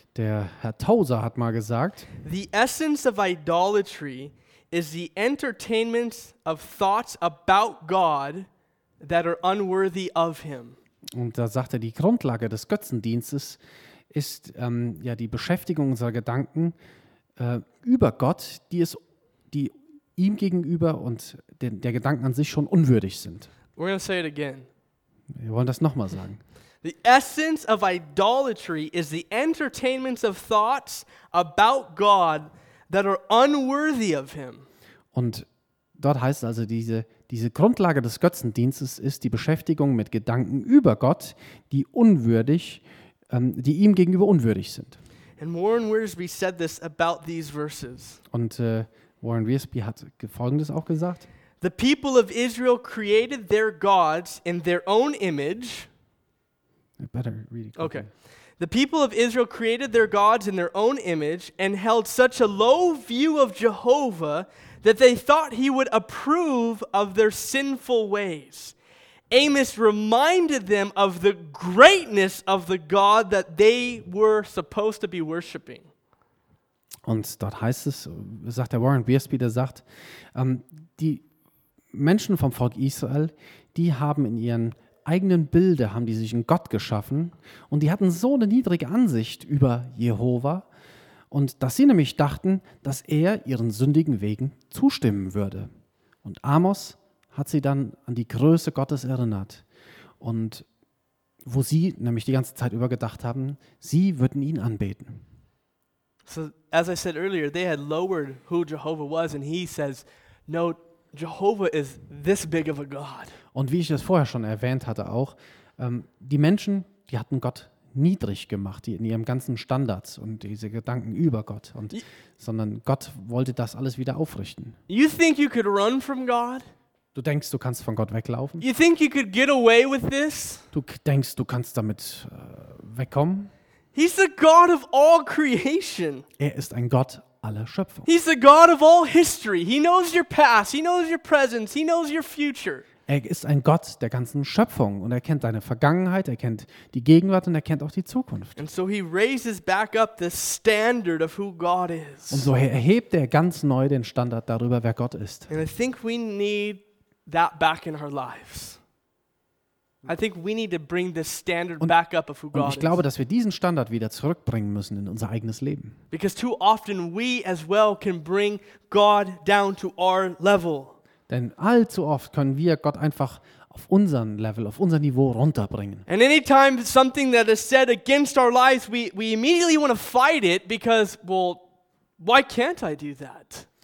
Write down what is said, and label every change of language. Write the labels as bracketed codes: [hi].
[de] Der Herr Tozer hat mal gesagt, [en] the essence of idolatry is the entertainment of thoughts about God that are unworthy of him. [de] Und da sagt er, die Grundlage des Götzendienstes ist die Beschäftigung unserer Gedanken über Gott, die ihm gegenüber und der Gedanken an sich schon unwürdig sind. [en] We're going to say it again. [de] Wir wollen das nochmal sagen. [en] The essence of idolatry is the entertainment of thoughts about God that are unworthy of him. [de] Und dort heißt es also, diese Grundlage des Götzendienstes ist die Beschäftigung mit Gedanken über Gott, die unwürdig, die ihm gegenüber unwürdig sind. [en] And Warren Wiersbe said this about these verses. [de] Und Warren Wiersbe hat Folgendes auch gesagt. [en] The people of Israel created their gods in their own image. I better read it quickly. Okay. The people of Israel created their gods in their own image and held such a low view of Jehovah that they thought he would approve of their sinful ways. Amos reminded them of the greatness of the God that they were supposed to be worshiping. [de] Und dort heißt es, sagt der Warren Wiersbe, der sagt, die Menschen vom Volk Israel, die haben in ihren eigenen Bilder, haben die sich einen Gott geschaffen und die hatten so eine niedrige Ansicht über Jehova und dass sie nämlich dachten, dass er ihren sündigen Wegen zustimmen würde. Und Amos hat sie dann an die Größe Gottes erinnert und wo sie nämlich die ganze Zeit über gedacht haben, sie würden ihn anbeten. [en] So, as I said earlier, they had lowered who Jehovah was and he says, no, Jehovah is this big of a God. [de] Und wie ich das vorher schon erwähnt hatte auch, die Menschen, die hatten Gott niedrig gemacht, die in ihrem ganzen Standards und diese Gedanken über Gott und sondern Gott wollte das alles wieder aufrichten. [en] You think you could run from God? [de] Du denkst, du kannst von Gott weglaufen? [en] You think you could get away with this? [de] Du denkst, du kannst damit wegkommen? [en] He's the God of all creation. [de] Er ist ein Gott aller Schöpfung. [en] He's the God of all history. He knows your past. He knows your present. He knows your future. [de] Er ist ein Gott der ganzen Schöpfung und er kennt deine Vergangenheit, er kennt die Gegenwart und er kennt auch die Zukunft. [en] And so he raises back up the standard of who God is. [de] Und so erhebt er ganz neu den Standard darüber, wer Gott ist. [en] And I think we need that back in our lives. I think we need to bring this standard back up of who God is. [de] Und ich glaube, dass wir diesen Standard wieder zurückbringen müssen in unser eigenes Leben. [en] Because too often we as well can bring God down to our level. [de] Denn allzu oft können wir Gott einfach auf unseren Level, auf unser Niveau runterbringen. [en] And anytime something that is said against our lives, we immediately want to fight it because, well, why can't I do that?